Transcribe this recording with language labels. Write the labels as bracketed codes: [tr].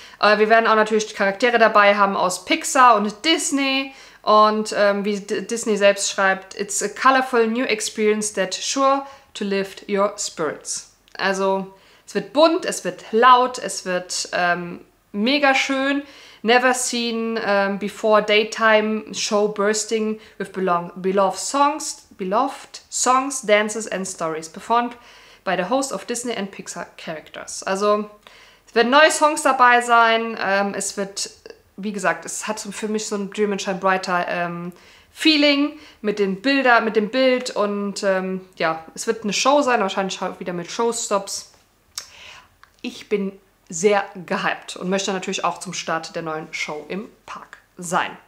[de] Wir werden auch natürlich Charaktere dabei haben aus Pixar und Disney. Und wie Disney selbst schreibt, [en] it's a colorful new experience that sure to lift your spirits. [de] Also es wird bunt, es wird laut, es wird mega schön. [en] Never seen before daytime show bursting with beloved songs, dances and stories performed by the host of Disney and Pixar characters. [de] Also es werden neue Songs dabei sein, es wird, wie gesagt, es hat für mich so ein Dream and Shine Brighter Feeling mit den Bildern, mit dem Bild und ja, es wird eine Show sein, wahrscheinlich wieder mit Showstops. Ich bin sehr gehypt und möchte natürlich auch zum Start der neuen Show im Park sein.